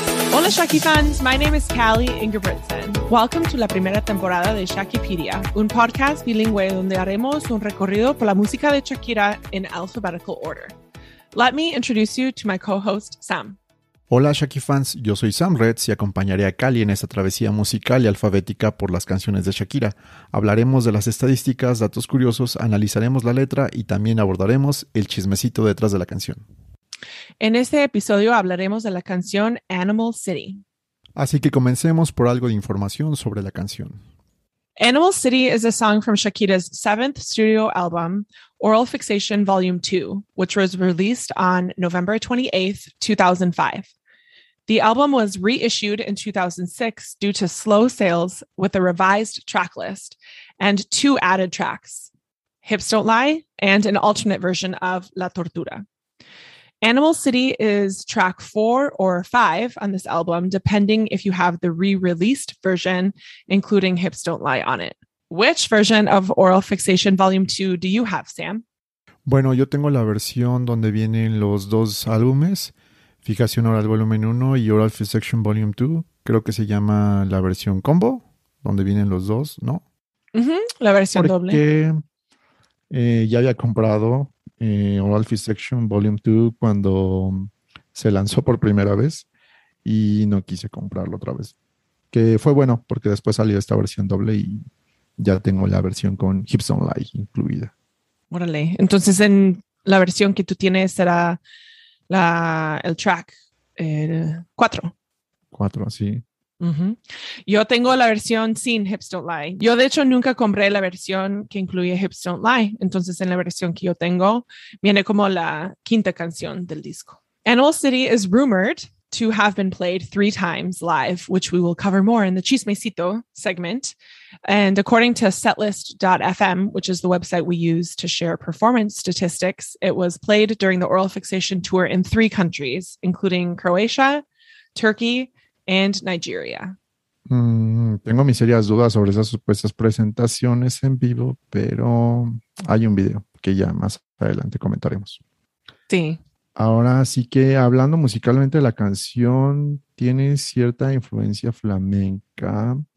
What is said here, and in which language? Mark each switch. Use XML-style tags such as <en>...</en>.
<es>Hola, Shaki fans.</es> <en>My name is Callie Ingebrigtsen. Welcome to</en> <es>la primera temporada de Shakipedia, un podcast bilingüe donde haremos un recorrido por la música de Shakira</es> <en>in alphabetical order. Let me introduce you to my co-host, Sam.</en> <es>Hola, Shaki fans. Yo soy Sam Reds y acompañaré a Callie en esta travesía musical y alfabética por las canciones de Shakira. Hablaremos de las estadísticas, datos curiosos, analizaremos la letra y también abordaremos el chismecito detrás de la canción. En este episodio hablaremos de la canción Animal City. Así que comencemos por algo de información sobre la canción.</es> <en>Animal City is a song from Shakira's seventh studio album, Oral Fixation Volume 2, which was released on November 28, 2005. The album was reissued in 2006 due to slow sales with a revised track list and two added tracks, Hips Don't Lie and an alternate version of La Tortura. Animal City is track 4 or 5 on this album, depending if you have the re-released version, including Hips Don't Lie on it. Which version of Oral Fixation Volume 2 do you have, Sam?</en> <es>Bueno, yo tengo la versión donde vienen los dos álbumes, Fijación Oral Volumen 1 y Oral Fixation Volume 2. Creo que se llama la versión combo, donde vienen los dos, ¿no? La versión Porque, doble. Ya había comprado... Oral Fixation Volume 2 cuando se lanzó por primera vez y no quise comprarlo otra vez, que fue bueno porque después salió esta versión doble y ya tengo la versión con Hips Don't Lie incluida. Órale, entonces en la versión que tú tienes será el track 4. 4, sí. Yo tengo la versión sin Hips Don't Lie. Yo de hecho nunca compré la versión que incluye Hips Don't Lie. Entonces en la versión que yo tengo viene como la quinta canción del disco.</es> <en>Animal City is rumored to have been played 3 times live, which we will cover more in the Chismecito segment. And according to setlist.fm, which is the website we use to share performance statistics, it was played during the Oral Fixation tour in 3 countries, including Croatia, Turkey, and Nigeria.</en> <es>Tengo mis serias dudas sobre esas supuestas presentaciones en vivo, pero hay un video que ya más adelante comentaremos. Sí. Ahora sí que hablando musicalmente, la canción tiene cierta influencia flamenca.</es>